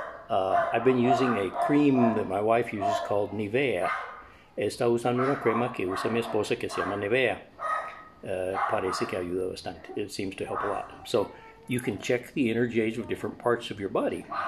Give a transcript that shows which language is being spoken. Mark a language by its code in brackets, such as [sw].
[en] I've been using a cream that my wife uses called Nivea. [es] Está usando una crema que usa mi esposa que se llama Nivea. Parece que ayuda bastante. [en] It seems to help a lot. So you can check the energy age of different parts of your body.